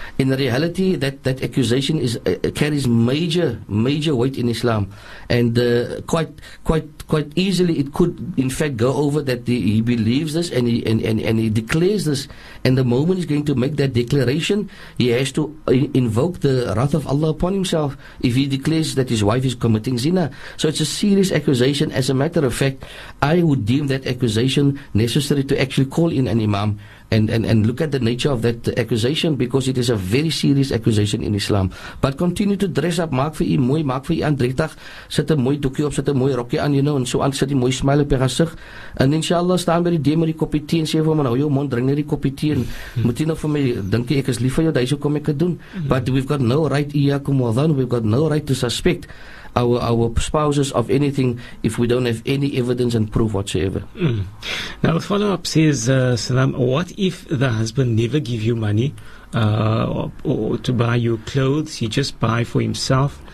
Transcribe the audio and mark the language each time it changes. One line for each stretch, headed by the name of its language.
English: In reality, that accusation is carries major weight in Islam, and quite easily it could in fact go over that he believes this, and he declares this, and the moment he's going to make that declaration, he has to invoke the wrath of Allah upon himself if he declares that his wife is committing zina. So it's a serious accusation. As a matter of fact, I would deem that accusation necessary to actually call in an imam and look at the nature of that accusation, because it is a very serious accusation in Islam. But continue to dress up,
Afrikaans: maak vir u mooi, maak vir u aandrektig, sit 'n mooi doekie op, sit 'n mooi rokkie aan,
English: you know,
Afrikaans: en so aan, sit 'n mooi smile op jou gesig, en inshallah staan by die deur met die koppie tee en sê vir hom, nou jou mond, drink net die koppie tee, moet jy nou vir my dink ek is lief vir jou, dis hoe kom ek dit doen.
English: But we've got no right,
Arabic: iyyakum wadhan,
English: we've got no right to suspect our spouses of anything if we don't have any evidence and proof whatsoever. Now the follow-up says, Salam, what if the husband never give you money? or to buy your clothes, he just buy for himself.